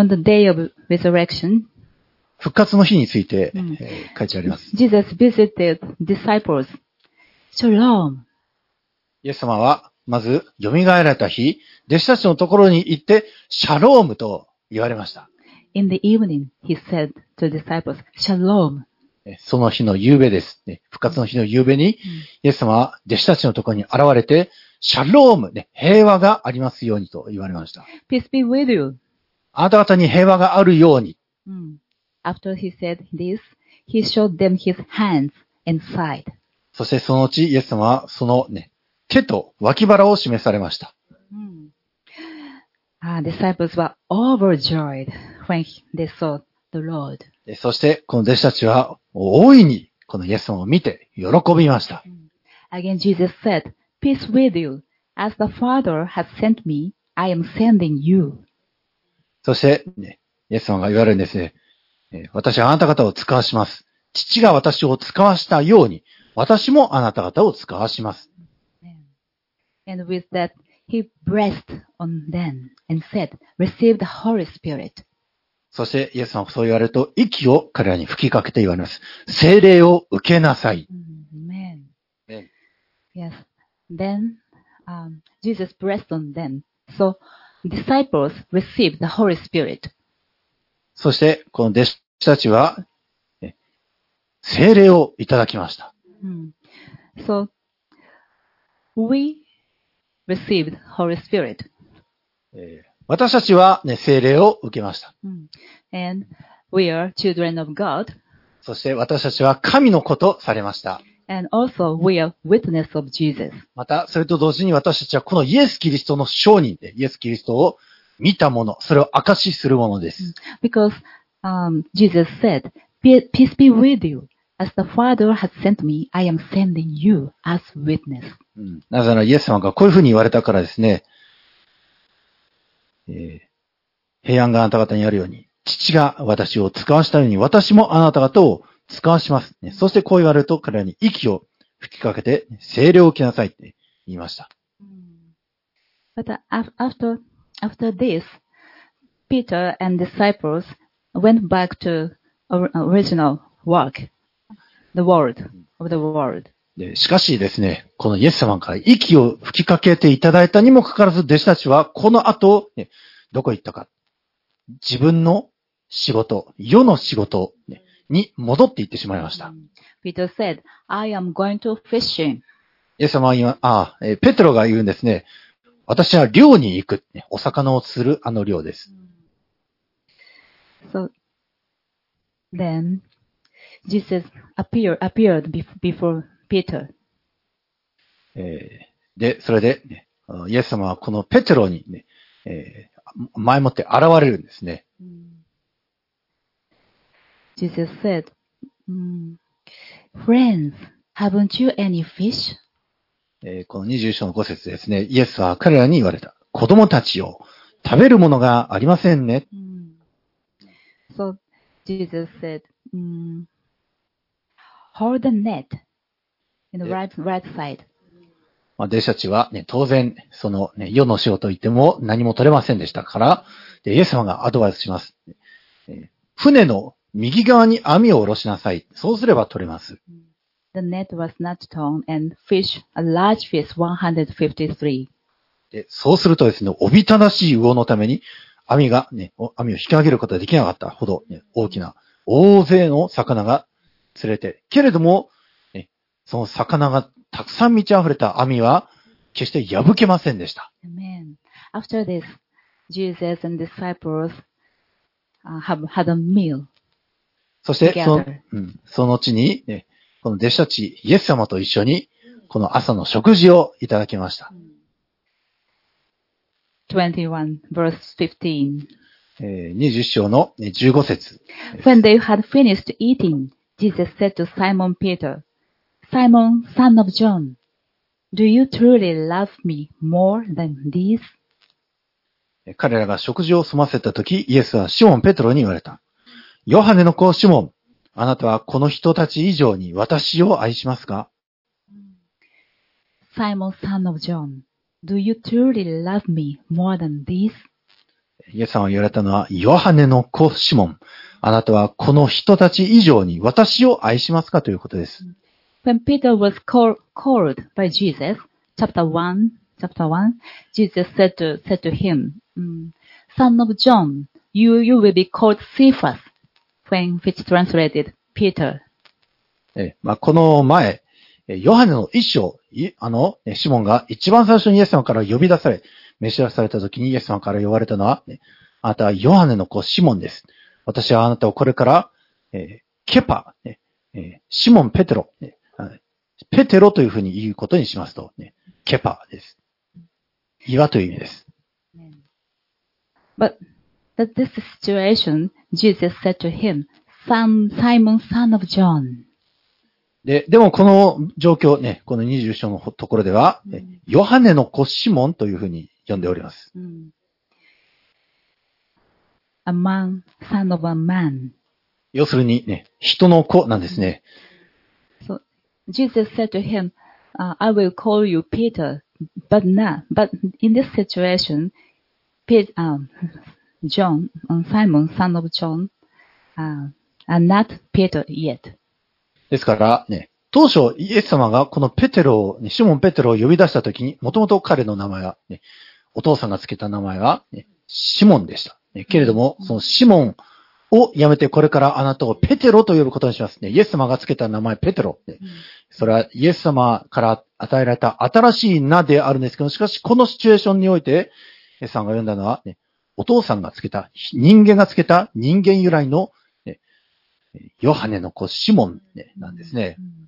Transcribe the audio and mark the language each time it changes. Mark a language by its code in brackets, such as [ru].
[en] on the day of resurrection, [ja] 復活の日について、書いてあります。 [en] Jesus visited disciples. Shalom. [ja] イエス様は、まず、蘇られた日、弟子たちのところに行って、シャロームと言われました。 [en] In the evening, he said to disciples, Shalom. [ja] その日の夕べです、ね。復活の日の夕べに、イエス様は弟子たちのところに現れて、シャローム、ね、平和がありますようにと言われました。 [en] Peace be with you. [ja] あなた方に平和があるように。 [en] After he said this, he showed them his hands and side. [ja] そしてそのうちイエス様はそのね、手と脇腹を示されました。 [en] Disciples were overjoyed when they saw the Lord. [ja] そしてこの弟子たちは大いにこのイエス様を見て喜びました。 [en] Again, Jesus said, "Peace with you. As the Father has sent me, I am sending you." [ja] そして、ね、イエス様が言われるんですね。私はあなた方を使わします。父が私を使わしたように、私もあなた方を使わします。 [en] And with that, he breathed on them and said, "Receive the Holy Spirit." [ja] そしてイエス様はそう言われると、息を彼らに吹きかけて言われます。聖霊を受けなさい。 [en] Amen. Yes. Then, Jesus breathed on them. So, disciples received the Holy Spirit. [ja] そして、この弟子たちは、聖霊をいただきました。 [en] So, we received Holy Spirit. [ja] 私たちは、ね、聖霊を受けました。 [en] And we are children of God. [ja] そして、私たちは神の子とされました。 [en] And also we are witness of Jesus. [ja] また、それと同時に私たちはこのイエス・キリストの証人で、イエス・キリストを見たもの、それを証しするものです。 [en] Because, Jesus said, "Peace be with you. As the Father has sent me, I am sending you as witness." [ja] なぜならイエス様がこういうふうに言われたからですね。平安があなた方にあるように、父が私を使わしたように、私もあなた方を使わします。ね、そしてこう言われると彼らに息を吹きかけて、聖霊を受けなさいって言いました。 [en] But after this, Peter and disciples went back to original work, the world of the world. [ja] で、しかしですね、このイエス様から息を吹きかけていただいたにもかかわらず、弟子たちはこの後、ね、どこ行ったか。自分の仕事、世の仕事、ね、に戻っていってしまいました。 [en] Peter said, I am going to fishing. [ja] イエス様は今、ペテロが言うんですね。私は漁に行く、ね、お魚を釣るあの漁です。 [en] So, then, Jesus appeared before Peter. [ja] で、それで、ね、イエス様はこのペテロに、ね、前もって現れるんですね。 [en] Jesus said, Friends, haven't you any fish? [ja] この20章の5節ですね。イエスは彼らに言われた。子供たちよ、食べるものがありませんね。 [en] So, Jesus said, Hold the net in the right side. [ja] 弟子たちは、ね、当然、その、ね、世の仕事を言っても何も取れませんでしたから、でイエス様がアドバイスします。船の右側に網を下ろしなさい。そうすれば取れます。 [en] The net was not torn and fish, a large fish, 153. [ja] でそうするとですね、おびただしい魚のために網がね、網を引き上げることができなかったほど、ね、大きな大勢の魚が釣れて、けれども、ね、その魚がたくさん満ち溢れた網は決して破けませんでした。 [en] Amen. After this, Jesus and disciples had a meal. [ja] そしてその地に、ね、この弟子たちイエス様と一緒にこの朝の食事をいただきました。 [en] 21 verse 15. [ja] 20章の15節。 [en] When they had finished eating, Jesus said to Simon Peter. Simon, son of John, do you truly love me more than these? [ja] 彼らが食事を済ませたとき、イエスはシモン・ペトロに言われた。ヨハネの子シモン、あなたはこの人たち以上に私を愛しますか? [en] Simon, son of John, do you truly love me more than these? [ja] イエス様が言われたのは、ヨハネの子シモン、あなたはこの人たち以上に私を愛しますかということです。 [en] When Peter was called by Jesus, chapter 1, Jesus said to him, Son of John, you will be called Cephas, when which translated Peter. [ja] この前、ヨハネの一章、シモンが一番最初にイエス様から呼び出され、召し出された時にイエス様から呼ばれたのは、あなたはヨハネの子シモンです。私はあなたをこれから、ケパ、シモン・ペテロ、ペテロというふうに言うことにしますと、ね、ケパです。岩という意味です。 [en] But this situation, Jesus said to him, Simon, son of John. [ja] でもこの状況ね、この二十章のところでは、ね、ヨハネの子シモンというふうに呼んでおります。 [en] A man, son of a man. [ja] 要するにね、人の子なんですね。 [en] Jesus said to him, I will call you Peter, but in this situation, Simon, son of John, are not Peter yet. [ja] ですからね、当初イエス様がこのペテロを、ね、シモン・ペテロを呼び出したときに、もともと彼の名前は、ね、お父さんがつけた名前は、ね、シモンでした。ね、けれども、そのシモンをやめてこれからあなたをペテロと呼ぶことにしますね。イエス様がつけた名前ペテロ、うん。それはイエス様から与えられた新しい名であるんですけど、しかしこのシチュエーションにおいて、イエス様が呼んだのは、ね、お父さんがつけた、人間がつけた人間由来の、ね、ヨハネの子シモン、ね、なんですね。